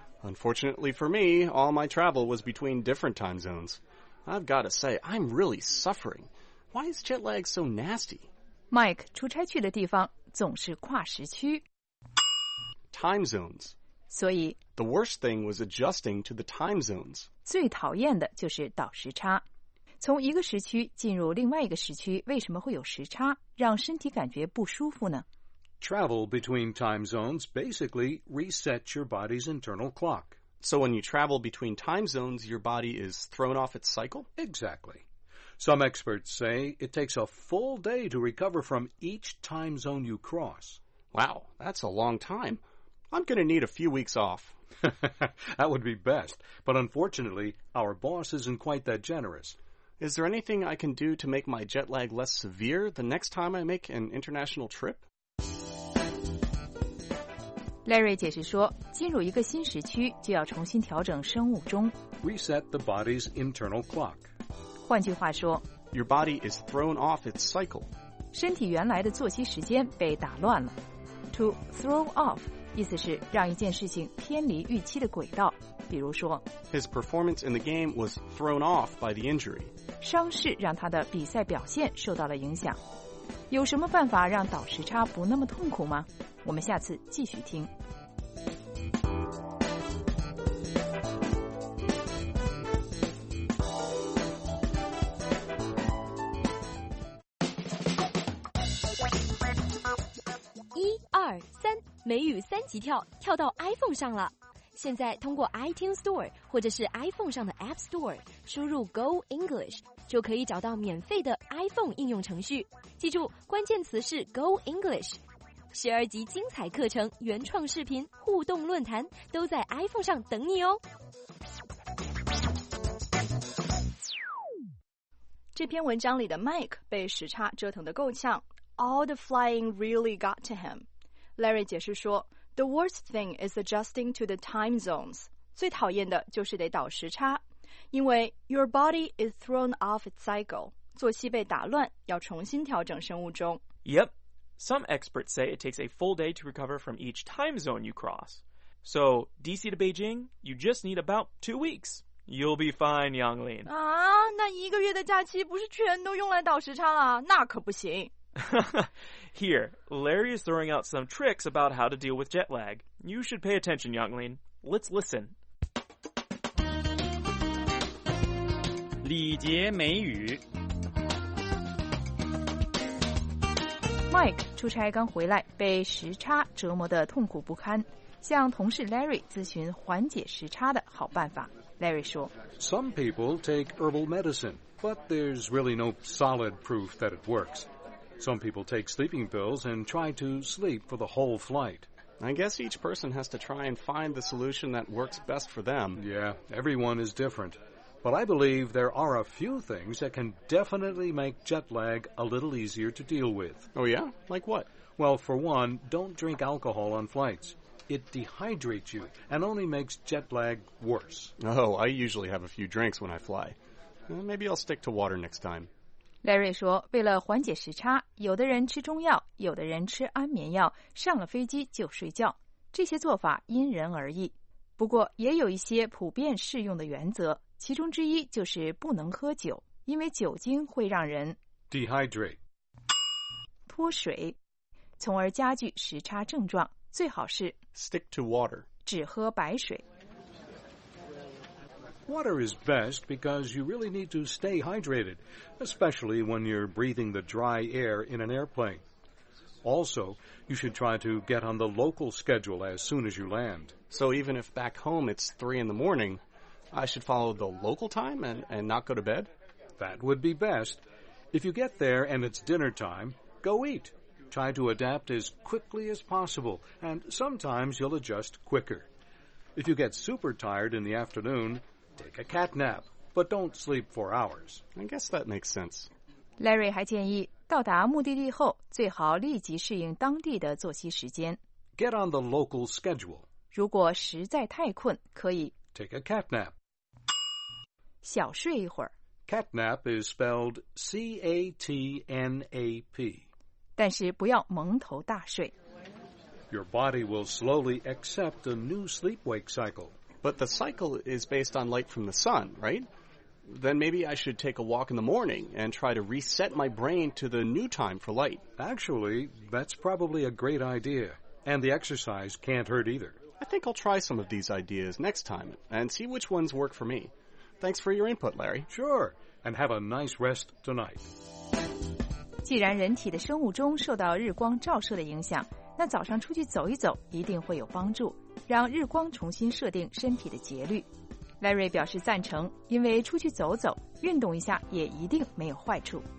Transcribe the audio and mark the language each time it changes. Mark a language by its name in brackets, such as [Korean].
[English] Unfortunately for me, all my travel was between different time zones. I've got to say, I'm really suffering. Why is jet lag so nasty? [Chinese] Mike, 出差去的地方总是跨时区。 [English] Time zones. [Chinese] 所以 [English] The worst thing was adjusting to the time zones. [Chinese] 最讨厌的就是倒时差。从一个时区进入另外一个时区，为什么会有时差，让身体感觉不舒服呢？ [English] Travel between time zones basically resets your body's internal clock. So when you travel between time zones, your body is thrown off its cycle? Exactly. Some experts say it takes a full day to recover from each time zone you cross. Wow, that's a long time. I'm going to need a few weeks off. That would be best, but unfortunately, our boss isn't quite that generous. Is there anything I can do to make my jet lag less severe the next time I make an international trip? [Chinese] Larry 解释说，进入一个新时区就要重新调整生物钟。 [English] Reset the body's internal clock. [Chinese] 换句话说， [English] Your body is thrown off its cycle. [Chinese] 身体原来的作息时间被打乱了。 [English] To throw off [Chinese] 意思是让一件事情偏离预期的轨道，比如说 [English] His performance in the game was thrown off by the injury. [Chinese] 伤势让他的比赛表现受到了影响。有什么办法让倒时差不那么痛苦吗？我们下次继续听。三美语三级跳，跳到 iPhone 上了。现在通过 iTunes Store 或者是 iPhone 上的 App Store 输入 Go English， 就可以找到免费的 iPhone 应用程序。记住，关键词是 Go English。十二级精彩课程、原创视频、互动论坛都在 iPhone 上等你哦。这篇文章里的 Mike 被时差折腾得够呛 ， [English] All the flying really got to him。 Larry [Chinese] 解释说 [English] ,The worst thing is adjusting to the time zones. [Chinese] 最讨厌的就是得倒时差。因为 [English] ,your body is thrown off its cycle. [Chinese] 作息被打乱要重新调整生物钟。 [English] Yep. Some experts say it takes a full day to recover from each time zone you cross. So, DC to Beijing, you just need about 2 weeks. You'll be fine, Yanglin. [Chinese] 啊那一个月的假期不是全都用来倒时差了那可不行。 [English] Here, Larry is throwing out some tricks about how to deal with jet lag. You should pay attention, Yanglin. Let's listen. [Chinese] 礼节美语 Mike 出差刚回来，被时差折磨得痛苦不堪，向同事 Larry 咨询缓解时差的好办法。Larry 说 [English] Some people take herbal medicine, but there's really no solid proof that it works. Some people take sleeping pills and try to sleep for the whole flight. I guess each person has to try and find the solution that works best for them. Yeah, everyone is different. But I believe there are a few things that can definitely make jet lag a little easier to deal with. Oh yeah? Like what? Well, for one, don't drink alcohol on flights. It dehydrates you and only makes jet lag worse. Oh, I usually have a few drinks when I fly. Maybe I'll stick to water next time. [Chinese] Larry 说，为了缓解时差，有的人吃中药，有的人吃安眠药，上了飞机就睡觉。这些做法因人而异，不过也有一些普遍适用的原则，其中之一就是不能喝酒，因为酒精会让人 [English] dehydrate [Chinese] 脱水，从而加剧时差症状。最好是 [English] stick to water [Chinese] 只喝白水。 [English] Water is best because you really need to stay hydrated, especially when you're breathing the dry air in an airplane. Also, you should try to get on the local schedule as soon as you land. So even if back home it's 3 a.m, I should follow the local time and not go to bed? That would be best. If you get there and it's dinner time, go eat. Try to adapt as quickly as possible, and sometimes you'll adjust quicker. If you get super tired in the afternoon,Take a cat nap, but don't sleep for hours. I guess that makes sense. [Chinese] Larry 还建议，到达目的地后，最好立即适应当地的作息时间。 [English] Get on the local schedule. [Chinese] 如果实在太困，可以 [English] Take a cat nap. [Chinese] 小睡一会儿。 [English] Cat nap is spelled C-A-T-N-A-P. [Chinese] 但是不要蒙头大睡。 [English] Your body will slowly accept a new sleep-wake cycle. But the cycle is based on light from the sun, right? Then maybe I should take a walk in the morning and try to reset my brain to the new time for light. Actually, that's probably a great idea. And the exercise can't hurt either. I think I'll try some of these ideas next time and see which ones work for me. Thanks for your input, Larry. Sure. And have a nice rest tonight. [Chinese] 既然人体的生物钟受到日光照射的影响，那早上出去走一走一定会有帮助。让日光重新设定身体的节律 Larry 表示赞成因为出去走走运动一下也一定没有坏处。